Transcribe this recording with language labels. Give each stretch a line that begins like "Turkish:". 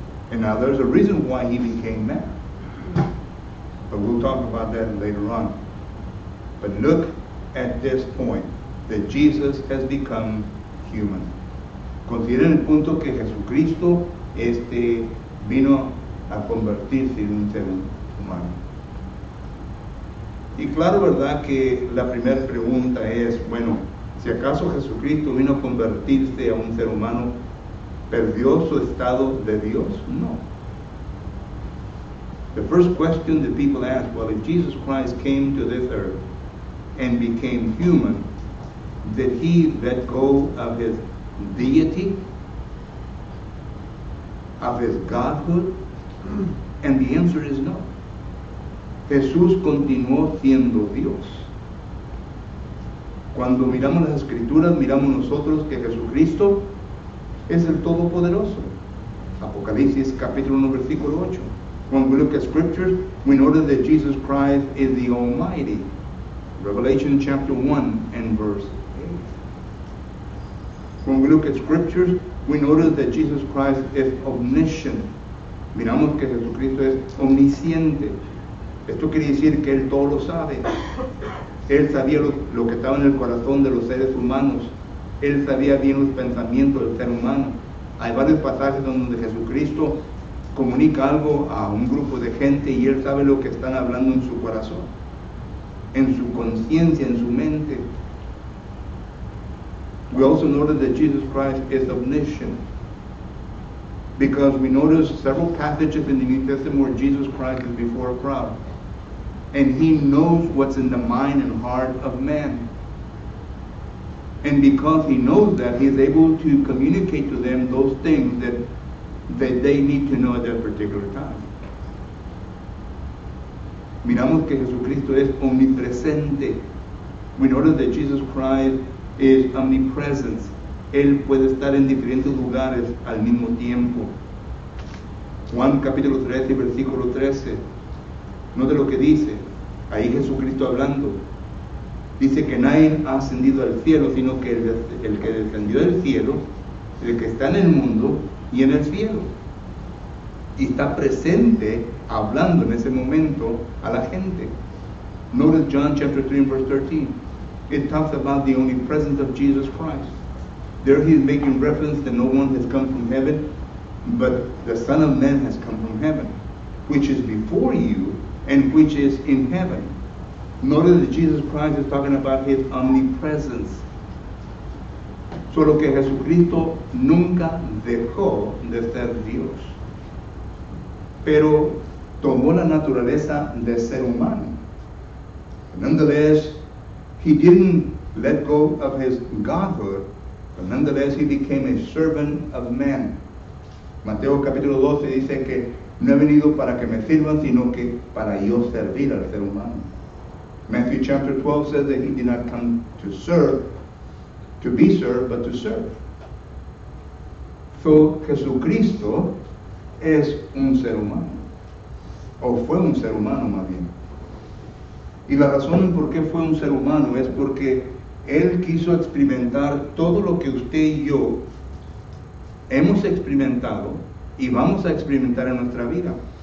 English: And now there's a reason why He became man. But we'll talk about that later on. But look at this point, that Jesus has become human.
Spanish: Consideren el punto que Jesucristo vino a convertirse en un ser humano. Y claro, verdad, que la primera pregunta es, bueno, si acaso Jesucristo vino a convertirse a un ser humano, ¿perdió su estado de Dios? No.
English: The first question that people ask, well, if Jesus Christ came to this earth, and became human, did he let go of his deity, of his godhood? And the answer is no.
Spanish: Jesús continuó siendo Dios. Cuando miramos las Escrituras, miramos nosotros que Jesucristo es el Todopoderoso. Apocalipsis capítulo 1, versículo 8.
English: When we look at scriptures, we notice that Jesus Christ is the Almighty. Revelation chapter 1 and verse 8. When we look at scriptures, we notice that Jesus Christ is omniscient.
Spanish: Miramos que Jesucristo es omnisciente. Esto quiere decir que Él todo lo sabe. Él sabía lo que estaba en el corazón de los seres humanos. Él sabía bien los pensamientos del ser humano. Hay varios pasajes donde Jesucristo comunica algo a un grupo de gente y Él sabe lo que están hablando en su corazón, en su conciencia, en su mente.
English: We also notice that Jesus Christ is omniscient, because we notice several passages in the New Testament where Jesus Christ is before a crowd, and He knows what's in the mind and heart of man. And because He knows that, He is able to communicate to them those things that they need to know at that particular time.
Spanish: Miramos que Jesucristo es omnipresente.
English: We notice that Jesus Christ is omnipresent.
Spanish: Él puede estar en diferentes lugares al mismo tiempo. Juan capítulo 13, versículo 13. Note lo que dice. Ahí Jesucristo hablando. Dice que nadie ha ascendido al cielo, sino que el que descendió del cielo, el que está en el mundo y en el cielo. Y está presente hablando en ese momento a la gente.
English: Notice John chapter 3, verse 13. It talks about the omnipresence of Jesus Christ. There he is making reference that no one has come from heaven, but the Son of Man has come from heaven, which is before you and which is in heaven. Notice that Jesus Christ is talking about his omnipresence.
Spanish: Solo que Jesucristo nunca dejó de ser Dios, pero tomó la naturaleza de ser humano.
English: Nonetheless, he didn't let go of his godhood, but nonetheless he became a servant of man.
Spanish: Mateo capítulo 12 dice que no he venido para que me sirvan, sino que para yo servir al ser humano.
English: Matthew chapter 12 says that he did not come to serve, to be served, but to serve.
Spanish: So Jesucristo es un ser humano, o fue un ser humano más bien. Y la razón por qué fue un ser humano es porque Él quiso experimentar todo lo que usted y yo hemos experimentado y vamos a experimentar en nuestra vida.